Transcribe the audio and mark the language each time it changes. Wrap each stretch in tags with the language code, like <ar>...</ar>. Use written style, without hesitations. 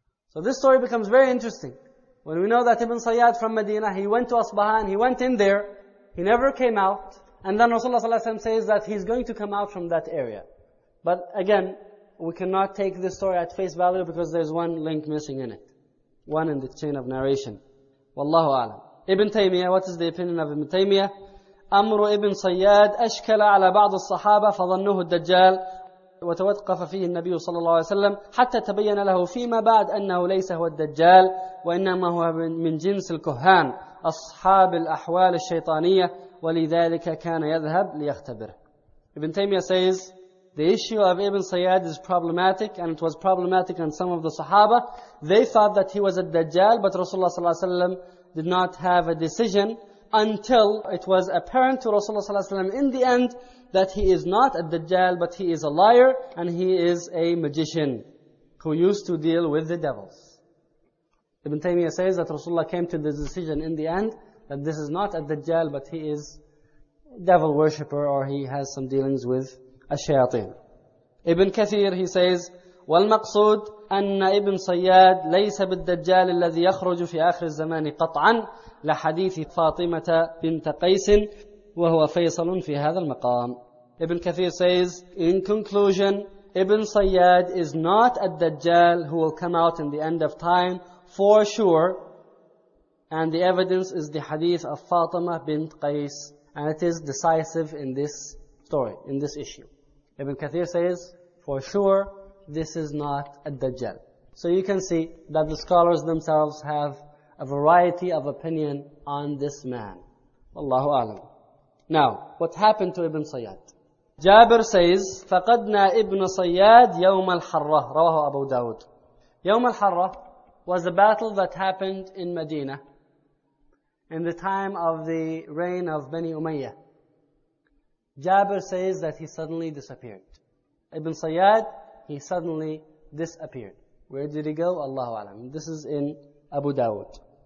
<en>So this story becomes very interesting. When we know that Ibn Sayyad from Medina, he went to Asbahan, he went in there, he never came out, and then Rasulullah ﷺ says that he's going to come out from that area. But again, we cannot take this story at face value because there's one link missing in it. One in the chain of narration. Wallahu a'lam. Ibn Taymiyyah, what is the opinion of Ibn Taymiyyah?</en> <ar>أمر ابن صياد أشكل على بعض الصحابة فظنوه الدجال وتوقف فيه النبي صلى الله عليه وسلم حتى تبين له فيما بعد أنه ليس هو الدجال وإنما هو من جنس الكهان أصحاب الأحوال الشيطانية ولذلك كان يذهب ليختبر.</ar> <en>Ibn Taymiyyah says, the issue of Ibn Sayyad is problematic, and it was problematic on some of the Sahaba. They thought that he was a Dajjal, but Rasulullah صلى الله عليه وسلم did not have a decision until it was apparent to Rasulullah صلى الله عليه وسلم in the end that he is not a Dajjal, but he is a liar, and he is a magician who used to deal with the devils. Ibn Taymiyyah says that Rasulullah came to the decision in the end that this is not a Dajjal, but he is a devil worshipper, or he has some dealings with الشياطين. Ibn Kathir, he says,</en> <ar>والمقصود أن ابن صياد ليس بالدجال الذي يخرج في آخر الزمان قطعا لحديث فاطمة بنت قيس وهو فيصل في هذا المقام.</ar> <en>Ibn Kathir says, in conclusion, Ibn Sayyad is not a Dajjal who will come out in the end of time for sure, and the evidence is the hadith of Fatima bint Qais, and it is decisive in this story, in this issue. Ibn Kathir says, for sure, this is not a Dajjal. So you can see that the scholars themselves have a variety of opinion on this man. Wallahu a'lam. Now, what happened to Ibn Sayyad? Jabir says,</en> <ar>فَقَدْنَا إِبْنَ صَيَّادْ يَوْمَ الْحَرَّةِ رَوَهُ أَبُو دَاوُدْ.</ar> <en>يوم الحرة was a battle that happened in Medina in the time of the reign of Bani Umayyah. Jabir says that he suddenly disappeared. Ibn Sayyad, he suddenly disappeared. Where did he go? Allahu alam. This is in Abu Dawud.</en>